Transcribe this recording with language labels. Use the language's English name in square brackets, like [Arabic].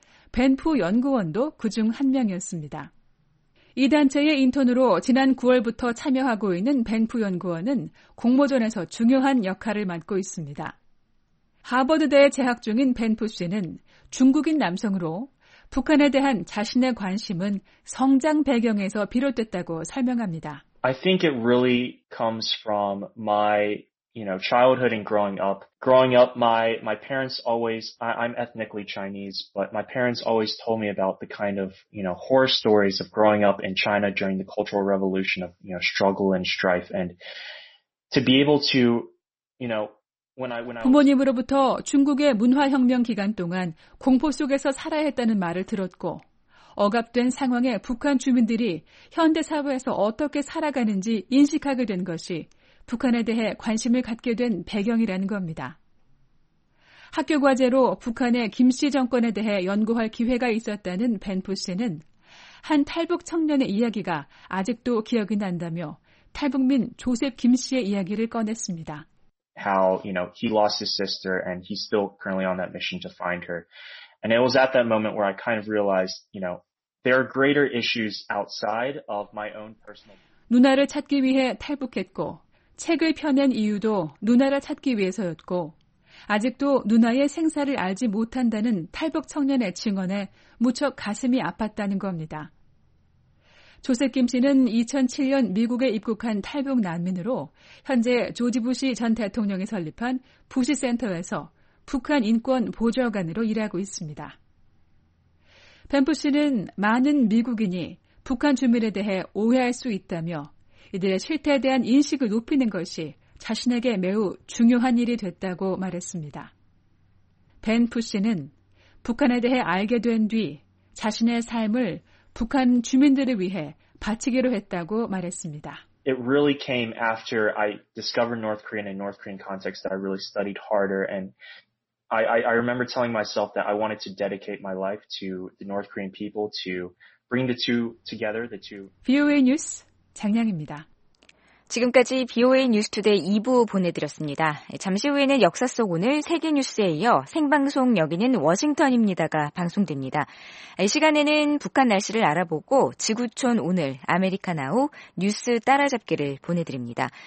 [Korean] 벤푸 연구원도 그중 한 명이었습니다. 이 단체의 인턴으로 지난 9월부터 참여하고 있는 벤푸 연구원은 공모전에서 중요한 역할을 맡고 있습니다. 하버드대에 재학 중인 벤푸 씨는 중국인 남성으로 북한에 대한 자신의 관심은 성장 배경에서 비롯됐다고 설명합니다. [English] I think it really comes from my, you know, childhood and growing up. Growing up, my parents always, I'm ethnically Chinese, but my parents always told me about the kind of, you know, horror stories of growing up in China during the Cultural Revolution of, you know, struggle and strife. And to be able to, you know, [Korean] 부모님으로부터 중국의 문화혁명 기간 동안 공포 속에서 살아야 했다는 말을 들었고 억압된 상황에 북한 주민들이 현대사회에서 어떻게 살아가는지 인식하게 된 것이 북한에 대해 관심을 갖게 된 배경이라는 겁니다. 학교 과제로 북한의 김씨 정권에 대해 연구할 기회가 있었다는 벤푸 씨는 한 탈북 청년의 이야기가 아직도 기억이 난다며 탈북민 조셉 김 씨의 이야기를 꺼냈습니다. [English] How, you know, he lost his sister and he's still currently on that mission to find her. And it was at that moment where I kind of realized, you know, there are greater issues outside of my own personal. [Korean] 누나를 찾기 위해 탈북했고, 책을 펴낸 이유도 누나를 찾기 위해서였고, 아직도 누나의 생사를 알지 못한다는 탈북 청년의 증언에 무척 가슴이 아팠다는 겁니다. 조셉 김 씨는 2007년 미국에 입국한 탈북 난민으로 현재 조지 부시 전 대통령이 설립한 부시 센터에서 북한 인권 보좌관으로 일하고 있습니다. 벤푸 씨는 많은 미국인이 북한 주민에 대해 오해할 수 있다며 이들의 실태에 대한 인식을 높이는 것이 자신에게 매우 중요한 일이 됐다고 말했습니다. 벤푸 씨는 북한에 대해 알게 된 뒤 자신의 삶을 북한 주민들을 위해 바치기로 했다고 말했습니다. [English] it really came after I discovered North Korea in a North Korean context that I really studied harder. And I remember telling myself that I wanted to dedicate my life to the North Korean people to bring the two together, the two. [Korean] VOA 뉴스 장량입니다. 지금까지 VOA 뉴스 투데이 2부 보내드렸습니다. 잠시 후에는 역사 속 오늘 세계 뉴스에 이어 생방송 여기는 워싱턴입니다가 방송됩니다. 이 시간에는 북한 날씨를 알아보고 지구촌 오늘 아메리카 나우 뉴스 따라잡기를 보내드립니다.